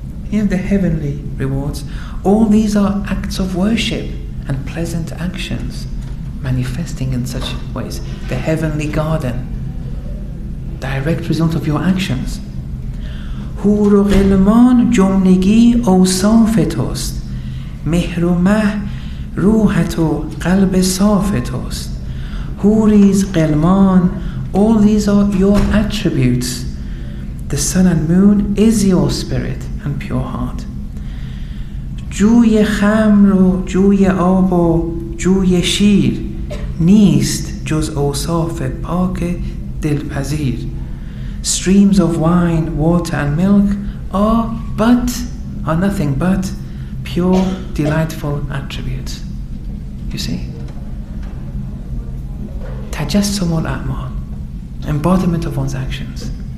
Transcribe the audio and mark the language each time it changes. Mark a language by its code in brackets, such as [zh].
[en] you know, the heavenly rewards all these are acts of worship and pleasant actions manifesting in such ways the heavenly garden direct result of your actions [fa] حور و غلمان جملگی اوصاف توست مهر و مه روحت و قلب صاف توست [en] Huris, Qilman, all these are your attributes. The sun and moon is your spirit and pure heart. [fa] جوی خمر و جوی آب و جوی شیر نیست جز اوصاف پاک دلپذیر. [en] Streams of wine, water and milk are nothing but pure, delightful attributes. You see? تجسم الاعمال, embodiment of one's actions.